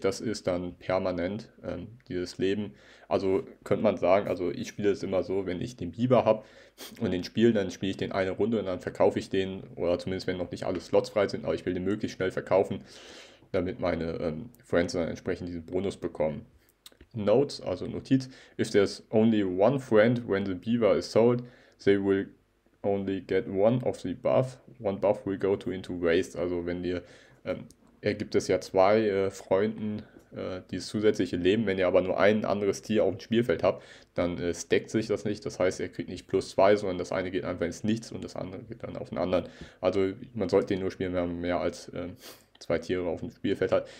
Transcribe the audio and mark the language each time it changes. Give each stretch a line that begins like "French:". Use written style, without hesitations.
German: Das ist dann permanent, dieses Leben. Also könnte man sagen, also ich spiele es immer so, wenn ich den Biber habe und den spiele, dann spiele ich den eine Runde und dann verkaufe ich den. Oder zumindest, wenn noch nicht alle Slots frei sind, aber ich will den möglichst schnell verkaufen, damit meine Friends dann entsprechend diesen Bonus bekommen.
English: Notes,
German: also Notiz,
English: if there's only one friend when the beaver is sold, they will only get one of the buff. One buff will go to into waste.
German: Also wenn ihr, er gibt es ja zwei Freunden dieses zusätzliche Leben. Wenn ihr aber nur ein anderes Tier auf dem Spielfeld habt, dann stackt sich das nicht. Das heißt, er kriegt nicht plus zwei, sondern das eine geht einfach ins Nichts und das andere geht dann auf den anderen. Also man sollte den nur spielen, wenn man mehr als zwei Tiere auf dem Spielfeld hat.